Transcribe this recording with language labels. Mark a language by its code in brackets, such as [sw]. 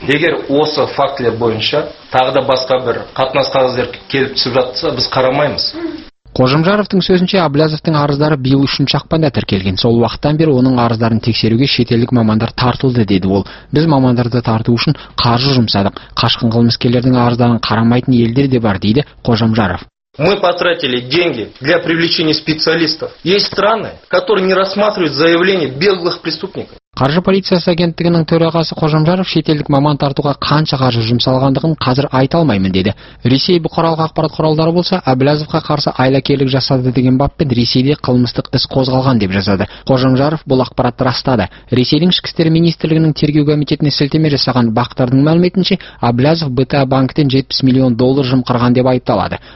[kk] Егер осы фактілер бойынша тағы да басқа бір қатынас қағаздар келіп түсіп жатса, біз қарамаймыз. Қожамжаровтың сөзінше, Әбләзовтың арыздары биыл 3-ші ақпанда тіркелген. Сол уақыттан бері оның арыздарын тексеруге шетелдік мамандар тартылды деді ол. Біз мамандарды тарту үшін қаржы жұмсадық. Қашқын қылмыскерлердің арыздарын қарамайтын елдер де бар дейді Қожамжаров. [ru] Мы потратили деньги для привлечения специалистов. Есть страны, которые не рассматривают заявления беглых преступников. [kk] Қаржы полициясы агенттігінің төрағасы Қожамжаров шетелдік маман тартуға қанша қаржы жұмсалғандығын қазір айта алмаймын деді. Ресей бұқаралық ақпарат құралдары болса, Әбләзовқа қарсы айлакерлік жасады деген баппен Ресейде қылмыстық іс қозғалған деп жазады. Қожамжаров бұл ақпаратты растады. Ресейдің ішкі істер министрлігінің тергеу комитетіне сілтеме жасаған бақтардың мәліметінше, Әбләзов БТА банктен 70 миллион доллар жымқырған деп айыпталады.